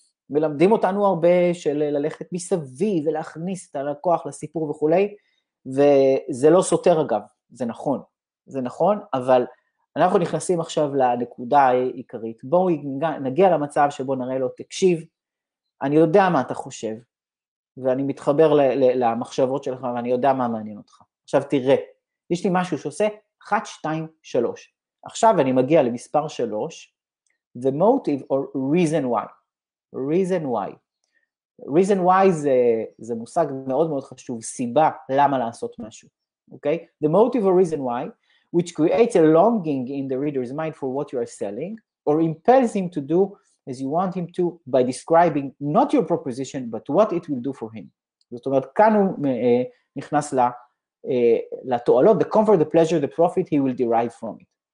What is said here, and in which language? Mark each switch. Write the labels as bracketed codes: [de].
[he] מלמדים אותנו הרבה של ללכת מסביב ולהכניס את הלקוח לסיפור וכולי, וזה לא סותר אגב, זה נכון, זה נכון, אבל אנחנו נכנסים עכשיו לנקודה העיקרית, בואו נגיע למצב שבו נראה לו, תקשיב, אני יודע מה אתה חושב, ואני מתחבר למחשבות שלך, ואני יודע מה מעניין אותך. עכשיו תראה, יש לי משהו שעושה 1, 2, 3. עכשיו אני מגיע למספר [en] 3, the motive or reason why. reason why. reason why [he] זה מושג מאוד מאוד חשוב, סיבה למה לעשות משהו. [en] Okay? The motive or reason why, which creates a longing in the reader's mind for what you are selling, or impels him to do as you want him to, by describing not your proposition, but what it will do for him. [he] זאת אומרת, כאן הוא נכנס לתועלות, [en] the comfort, the pleasure, the profit he will derive from it.